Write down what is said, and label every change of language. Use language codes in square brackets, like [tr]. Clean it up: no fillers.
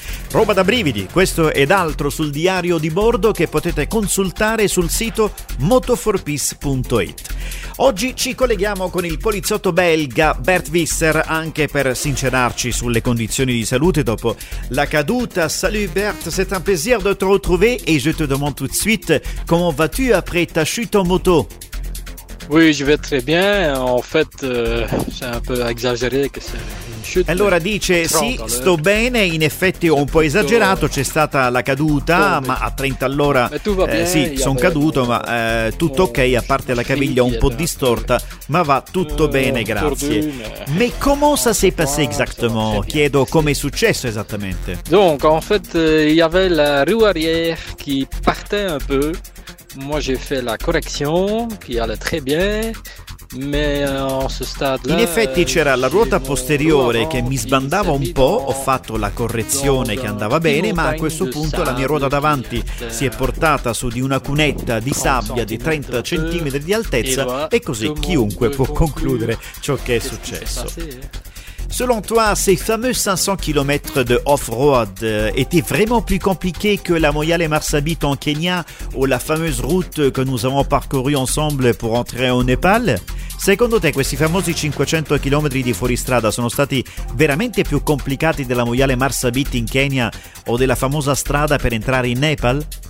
[it] Roba da brividi, questo ed altro sul diario di bordo che potete consultare sul sito motoforpeace.it. Oggi ci colleghiamo con il poliziotto belga Bert Visser anche per sincerarci sulle condizioni di salute dopo la caduta. [fr] Salut Bert, c'est un plaisir de te retrouver et je te demande tout de suite, comment vas-tu après ta chute en moto? Oui, je vais très bien. En fait, c'est un peu exagéré que c'est... [it] Allora dice, sì, sto bene, in effetti ho un po' esagerato, c'è stata la caduta, ma a 30 all'ora sì, sono caduto, ma tutto ok, a parte la caviglia un po' distorta, ma va tutto bene, grazie. [fr] Ma come ça s'est passé exactement? [it] Chiedo, come è successo esattamente? [fr] Donc, en fait, il y avait la roue arrière qui partait un peu, moi j'ai fait la correction, qui allait très bien. [it] In effetti c'era la ruota posteriore che mi sbandava un po', ho fatto la correzione che andava bene, ma a questo punto la mia ruota davanti si è portata su di una cunetta di sabbia di 30 cm di altezza e così chiunque può concludere ciò che è successo. [fr] Selon toi, ces fameux 500 km de off-road étaient vraiment plus compliqués que la Moyale Marsabit en Kenya ou la fameuse route que nous avons parcourue ensemble pour entrer au Népal? [it] Secondo te, questi famosi 500 km di fuoristrada sono stati veramente più complicati della Moyale Marsabit in Kenya o della famosa strada per entrare in Nepal?